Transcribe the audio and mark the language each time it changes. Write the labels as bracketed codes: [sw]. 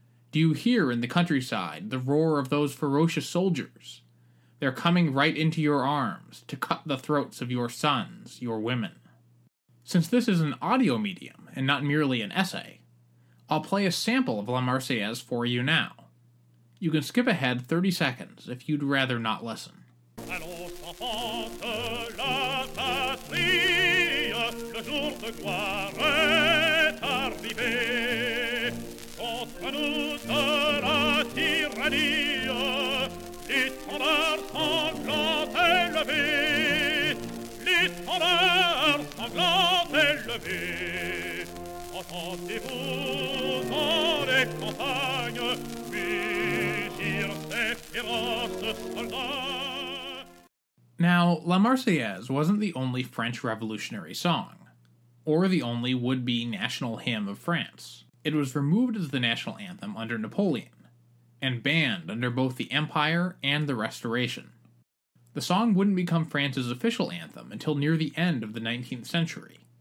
[en] Do you hear in the countryside the roar of those ferocious soldiers? They're coming right into your arms to cut the throats of your sons, your women. Since this is an audio medium and not merely an essay, I'll play a sample of La Marseillaise for you now. You can skip ahead 30 seconds if you'd rather not listen. [fr] La patrie, le jour de gloire est arrivé. Contre nous de la tyrannie, l'étendard sanglant est levé. L'étendard sanglant est levé. Entendez-vous dans les campagnes, mugir ces féroces soldats. [en] Now, La Marseillaise wasn't the only French Revolutionary song, or the only would-be national hymn of France. It was removed as the national anthem under Napoleon, and banned under both the Empire and the Restoration. The song wouldn't become France's official anthem until near the end of the 19th century.